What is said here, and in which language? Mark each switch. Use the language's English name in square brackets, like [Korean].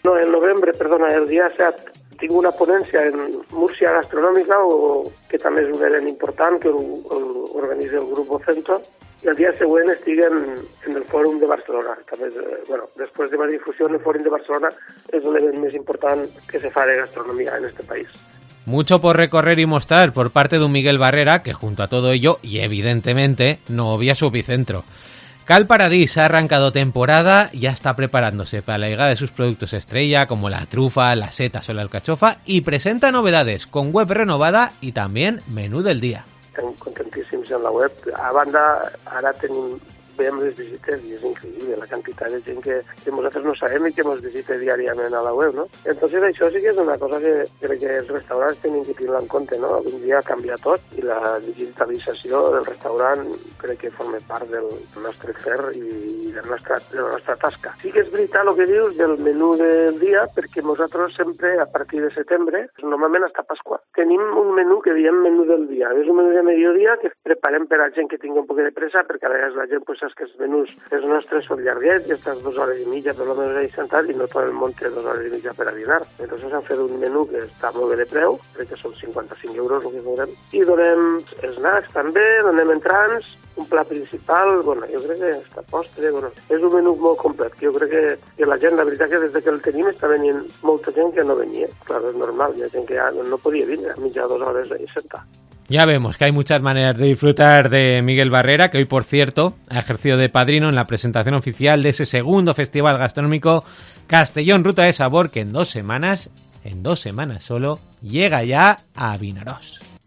[Catalan] No, el novembre, perdona, el dia 7, tinc una ponència en Múrcia Gastronòmica, que també és un event important, que organitza el grup Ocento. I el dia següent estic en el Fòrum de Barcelona. També, bueno, després de la difusió en el Fòrum de Barcelona és l'event més important que se fa de gastronomia en este país. [Spanish] Mucho por recorrer y mostrar por parte de un Miguel Barrera que junto a todo ello, y evidentemente, no obvia su epicentro. Cal Paradís ha arrancado temporada, ya está preparándose para la llegada de sus productos estrella como la trufa, las setas o la alcachofa y presenta novedades con web renovada y también menú del día. [Catalan] Estem contentíssims en la web. A banda, ara tenim, veiem les visites i és increïble la quantitat de gent que nosaltres no sabem i que ens visita diàriament a la web, no? Entonces, això sí que és una cosa que crec que els restaurants tenen que tenir en compte, no? Un dia canvia tot i la digitalització del restaurant crec que forma part del nostre fer i de la nostra tasca. Sí que és veritat el que dius del menú del dia, perquè nosaltres sempre, a partir de setembre, normalment hasta Pasqua, tenim un menú que diem menú del dia. És un menú de mediodia que preparem per a gent que tingui un poc de pressa, perquè a vegades la gent pues saps que els menús, els nostres són llarguets i estàs 2 hores i mitja per lo menos ahí sentat i no tot el món té 2 hores i mitja per a dinar. Entonces han fet un menú que està molt bé de preu, crec que són 55 euros el que veurem, i donem snacks també, donem entrants, un pla principal, bueno, jo crec que està postre, bueno, és un menú molt complet, jo crec que la gent, la veritat que des que el tenim està venint molta gent que no venia, clar, és normal, hi ha gent que ja no podia vindre a mitja 2 hores ahí sentat. [Spanish] Ya vemos que hay muchas maneras de disfrutar de Miguel Barrera, que hoy, por cierto, ha ejercido de padrino en la presentación oficial de ese segundo festival gastronómico Castellón Ruta de Sabor, que en dos semanas solo, llega ya a Vinaròs.